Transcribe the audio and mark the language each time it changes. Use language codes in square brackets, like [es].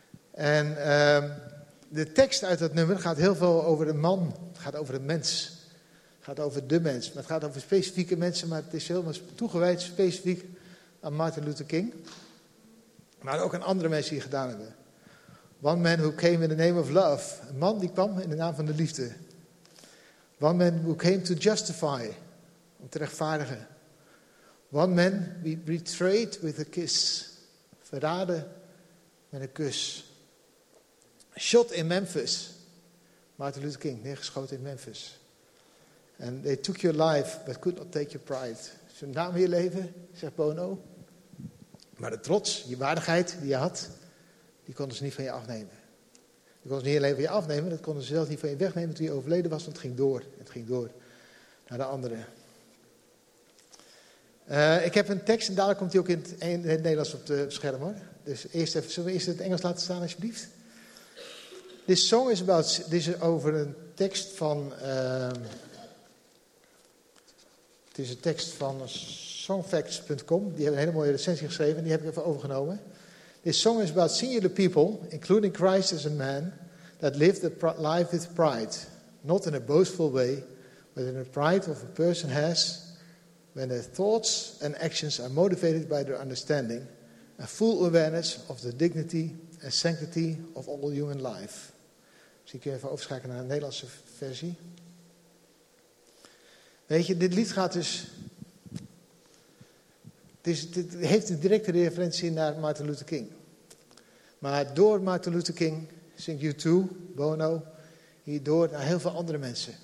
[nl] En de tekst uit dat nummer gaat heel veel over de man, het gaat over de mens. Het gaat over de mens, maar het gaat over specifieke mensen, maar het is helemaal toegewijd specifiek aan Martin Luther King. Maar ook aan andere mensen die het gedaan hebben. [en] One man who came in the name of love. [nl] Een man die kwam in de naam van de liefde. [en] One man who came to justify. [nl] Om te rechtvaardigen. [en] One man we betrayed with a kiss. [nl] Verraden met een kus. [en] Shot in Memphis. [nl] Martin Luther King, neergeschoten in Memphis. [en] And they took your life, but could not take your pride. [nl] Ze namen je leven, zegt Bono. Maar de trots, je waardigheid die je had, die konden ze niet van je afnemen. Die konden ze niet alleen van je afnemen, dat konden ze zelfs niet van je wegnemen toen je overleden was. Want het ging door. Het ging door naar de anderen. Ik heb een tekst en dadelijk komt die ook in het Nederlands op het scherm hoor. Dus eerst even, zullen we eerst het Engels laten staan alsjeblieft? [en] This song is about, this is [nl] over een tekst van, het is een tekst van songfacts.com. Die hebben een hele mooie recensie geschreven en die heb ik even overgenomen. [en] This song is about singular people, including Christ as a man, that lived a life with pride. Not in a boastful way, but in the pride of a person has when their thoughts and actions are motivated by their understanding, a full awareness of the dignity and sanctity of all human life. [nl] Misschien kun je even overschakelen naar de Nederlandse versie. Weet je, dit lied gaat dus. Het heeft een directe referentie naar Martin Luther King. Maar door Martin Luther King, zingt U2, Bono, hierdoor naar heel veel andere mensen.